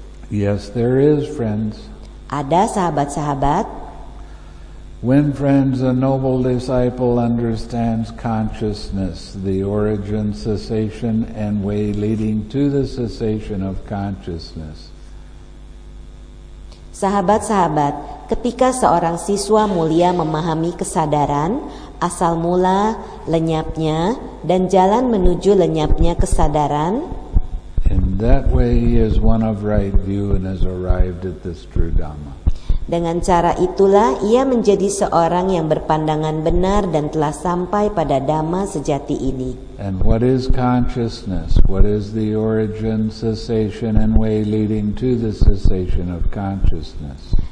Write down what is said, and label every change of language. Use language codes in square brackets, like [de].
[en] Yes, there is, friends. [id] Ada sahabat-sahabat. [en] When friends, a noble disciple understands consciousness, the origin, cessation, and way leading to the cessation of consciousness. [id] Sahabat-sahabat, ketika seorang siswa mulia memahami kesadaran, asal mula, lenyapnya, dan jalan menuju lenyapnya kesadaran, [en] in that way he is one of right view and has arrived at this true Dhamma. [id] Dengan cara itulah ia menjadi seorang yang berpandangan benar dan telah sampai pada Dhamma sejati ini. [en] And what is consciousness? What is the origin, cessation, and way leading to the cessation of consciousness?